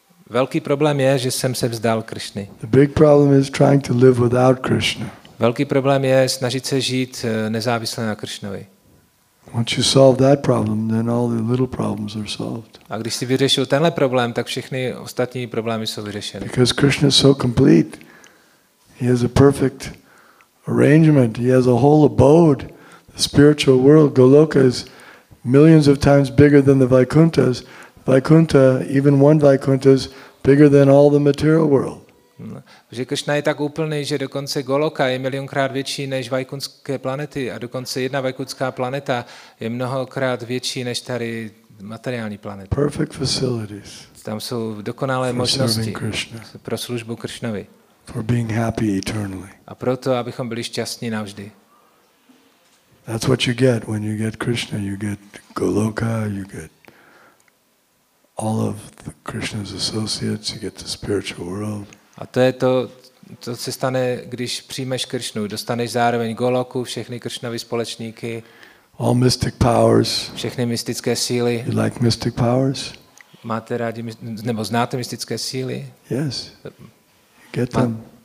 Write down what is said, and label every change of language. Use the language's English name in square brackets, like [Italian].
[Czech] Velký problém je, že jsem se vzdal Krišny. [English] The big problem is trying to live without Krishna. [Czech] Velký problém je snažit se žít nezávisle na Krišnovi. [English] Once you solve that problem, then all the little problems are solved. [Czech] A když si vyřešil tenhle problém, tak všechny ostatní problémy jsou vyřešeny. [English] Because Krishna is so complete. He has a perfect arrangement. He has a whole abode. The spiritual world, Goloka, is millions of times bigger than the Vaikunthas. Vaikuntha, even one Vaikuntha, is bigger than all the material world. [Czech] Že Krišna je tak úplný, že dokonce Goloka je milionkrát větší než vaikunské planety a dokonce jedna vaikunská planeta je mnohokrát větší než tady materiální planeta. [English] Perfect facilities. [Czech] Tam jsou dokonalé možnosti pro službu Krišnovi. [English] For being happy eternally. [Czech] A proto, abychom byli šťastní navždy. [English] That's what you get when you get Krishna. You get Goloka, you get all of the Krishna's associates, you get the spiritual world. [Czech] A to je to, co se stane, když přijmeš Krišnu. Dostaneš zároveň Goloku, všechny Krišnovy společníky. [English] All mystic powers. [Czech] Všechny mystické síly. [English] You like mystic powers? [Czech] Máte rádi, nebo znáte mystické síly? [English] Yes. Get them.